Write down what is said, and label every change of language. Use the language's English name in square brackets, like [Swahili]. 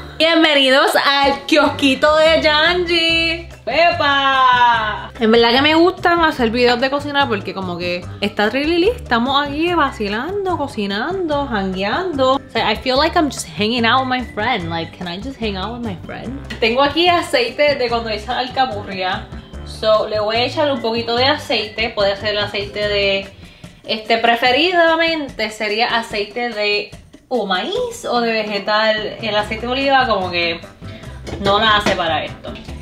[Spanish] Bienvenidos al kiosquito de Janji. ¡Pepa! En verdad que me gustan hacer videos de cocinar porque como que está trilili. Estamos aquí vacilando, cocinando, jangueando. [English] So I feel like I'm just hanging out with my friend. Like, can I just hang out with my friend? [Spanish] Tengo aquí aceite de cuando hice la alcapurria. So le voy a echar un poquito de aceite. Puede ser el aceite de... preferidamente sería aceite de... o maíz o de vegetal. El aceite de oliva como que no la hace para esto.